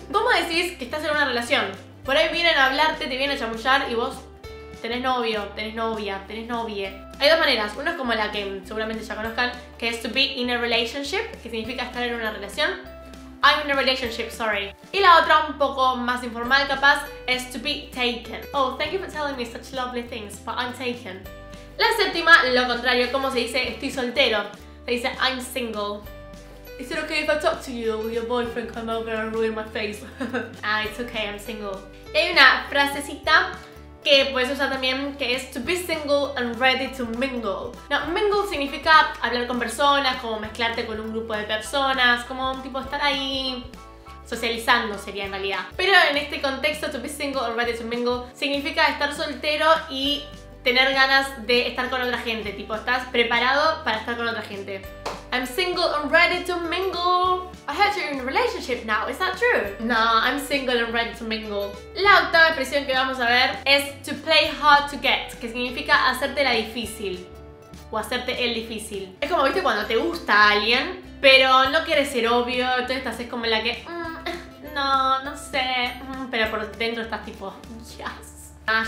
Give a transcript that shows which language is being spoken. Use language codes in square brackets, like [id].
[es] ¿Cómo decís que estás en una relación? Por ahí vienen a hablarte, te vienen a chamullar y vos tenés novio, tenés novia, tenés novie. Hay dos maneras, una es como la que seguramente ya conozcan, que es to be in a relationship, que significa estar en una relación. [en] I'm in a relationship, sorry. [es] Y la otra, un poco más informal capaz, es to be taken. [en] Oh, thank you for telling me such lovely things, but I'm taken. [es] La séptima, lo contrario, como se dice estoy soltero. Se dice I'm single. [en] Is it okay if I talk to you with your boyfriend come over and ruin my face? Ah, it's okay, I'm single. [es] Y hay una frasecita que puedes usar también, que es [en] to be single and ready to mingle. [es] Now, mingle significa hablar con personas, como mezclarte con un grupo de personas, como un tipo estar ahí socializando sería en realidad. Pero en este contexto, to be single and ready to mingle significa estar soltero y tener ganas de estar con otra gente, tipo estás preparado para estar con otra gente. [en] I'm single and ready to mingle. I heard you're in a relationship now, is that true? No, I'm single and ready to mingle. [es] La octava expresión que vamos a ver es to play hard to get, que significa hacerte la difícil o hacerte el difícil. Es como, viste, cuando te gusta a alguien, pero no quieres ser obvio, entonces estás es como en la que, no sé, pero por dentro estás tipo, yes.